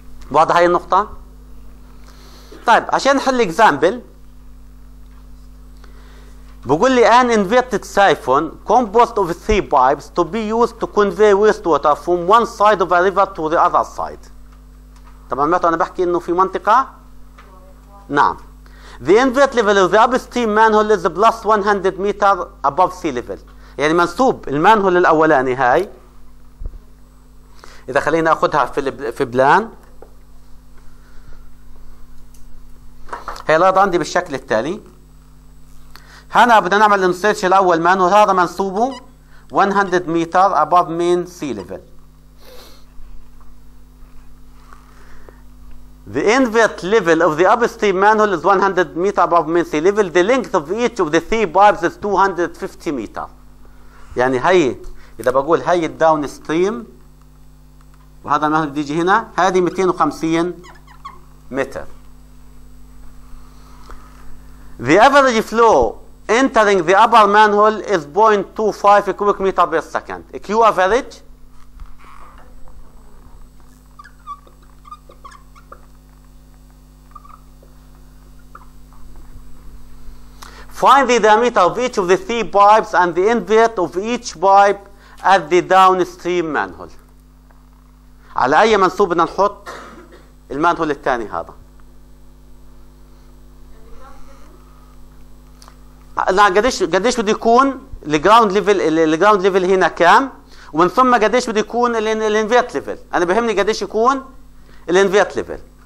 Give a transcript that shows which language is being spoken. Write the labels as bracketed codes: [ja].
[ar] واضح هاي النقطة؟ طيب عشان نحل اكزامبل، بقول لي [en] an inverted siphon composed of three pipes to be used to convey wastewater from one side of a river to the other side. [ar] طبعا معناته انا بحكي انه في منطقة، نعم. [en] The invert level of the upstream manhole is plus 100 meter above sea level. [ar] يعني منسوب المانهول الاولاني هاي، اذا خلينا اخذها في بلان، هي الارض عندي بالشكل التالي. هنا بدنا نعمل الانسيرش الاول مانهول، هذا منسوبه 100 متر [en] above mean sea level. The invert level of the upstream manhole is 100 meter above mean sea level. The length of each of the three pipes is 250 meter. [ar] يعني هي اذا بقول هي الداون ستريم، وهذا المانهول بده يجي هنا، هذه 250 متر. [en] The average flow entering the upper manhole is 0.25 cubic meter per second. Q average. Find the diameter of each of the three pipes and the invert of each pipe at the downstream manhole. [ar] على أي منسوب بدنا نحط المانهول الثاني هذا؟ قديش بده يكون الجراوند ليفل؟ الجراوند ليفل هنا كام؟ ومن ثم قديش بده يكون الانفيرت ليفل؟ انا بهمني قديش يكون الانفيرت ليفل.